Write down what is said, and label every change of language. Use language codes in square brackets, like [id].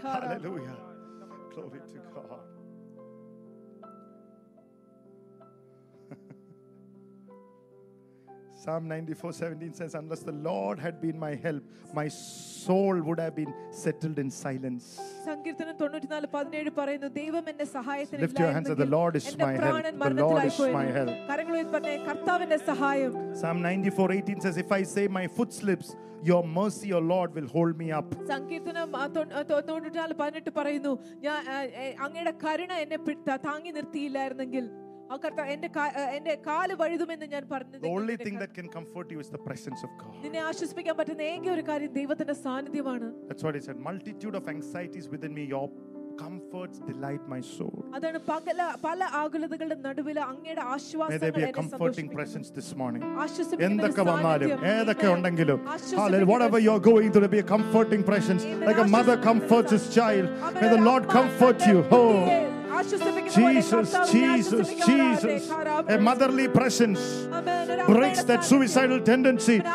[en] Tarabha. Hallelujah. Glory to God. Psalm 94:17 says, unless the Lord had been my help, my soul would have been settled in silence. [ml] സങ്കീർത്തനം 94:17 പറയുന്നു ദൈവം എന്റെ സഹായത്തിന് [en] Lift your hands and the Lord is my help. The Lord is my help. [ml] കരങ്ങളിൽ പറഞ്ഞു കർത്താവിന്റെ സഹായം. [en] Psalm 94:18 says, if I say my foot slips, your mercy, O Lord, will hold me up. [ml] സങ്കീർത്തനം 94:18 പറയുന്നു ഞാൻ അങ്ങയുടെ കരുണ എന്നെ താങ്ങി നിർത്തിയില്ലായിരുന്നെങ്കിൽ [en] The only thing that can comfort you is the presence of God. [ml] നിന്നെ ആശ്വസിപ്പിക്കാൻ പറ്റുന്ന ഏക ഒരു കാര്യം ദൈവത്തിന്റെ സാന്നിധ്യമാണ്. [en] That's what he said. Multitude of anxieties within me, your comforts delight my soul. [ml] അതാണ് പല ആകുലതകളുടെ നടുവിൽ അങ്ങയുടെ ആശ്വാസം എന്നെ സന്തോഷിപ്പിക്കും. [en] May there be a comforting presence this morning. [ml] ആശ്വസിപ്പിക്കും. എന്തൊക്കെ വന്നാലും ഏതൊക്കെ ഉണ്ടെങ്കിലും [en] hallelujah whatever you're going through, there be a comforting presence like a mother comforts his child. May the Lord comfort you. Oh Jesus, Jesus, Jesus. A motherly presence breaks that suicidal tendency.